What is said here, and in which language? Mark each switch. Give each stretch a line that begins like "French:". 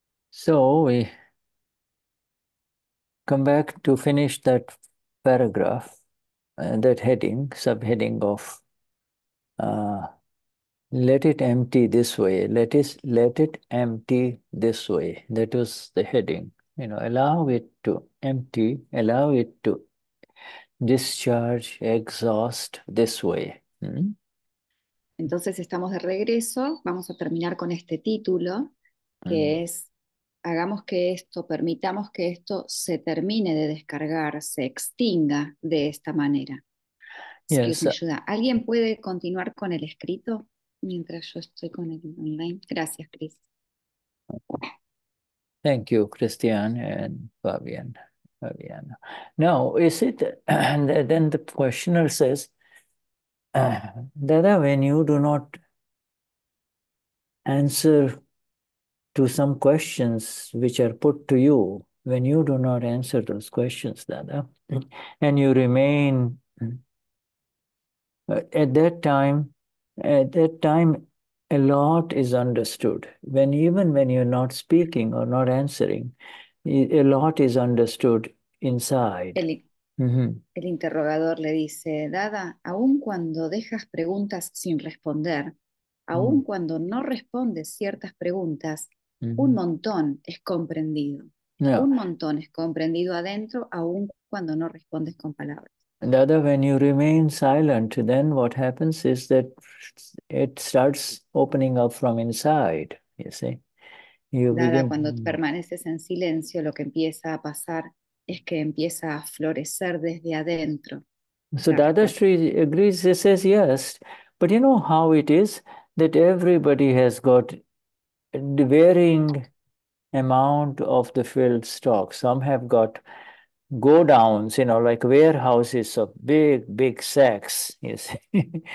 English: So we come back to finish that paragraph, that heading, subheading of let it empty this way. Let it empty this way. That was the heading. You know, allow it to empty, allow it to discharge, exhaust this way.
Spanish: Entonces estamos de regreso, vamos a terminar con este título, que es, hagamos que esto, permitamos que esto se termine de descargar, se extinga de esta manera.
English: Excuse me,
Spanish: ayuda. ¿Alguien puede continuar con el escrito mientras yo estoy con el online? Gracias, Chris.
English: Thank you, Cristian and Fabiana. Now, is it, then the questioner says, Dada, when you do not answer to some questions which are put to you, when you do not answer those questions, Dada, and you remain at that time, a lot is understood. Even when you're not speaking or not answering, a lot is understood inside.
Spanish: El interrogador le dice, Dada, aun cuando dejas preguntas sin responder, aun cuando no respondes ciertas preguntas, un montón es comprendido. No. Un montón es comprendido adentro, aun cuando no respondes con palabras.
English: Dada, when you remain silent, then what happens is that it starts opening up from inside, you see.
Spanish: Cuando permaneces en silencio, lo que empieza a pasar es que empieza a florecer desde adentro.
English: So Dadashri agrees, he says yes, but you know how it is that everybody has got the varying amount of the filled stock. Some have got go downs, you know, like warehouses of big sacks, you see.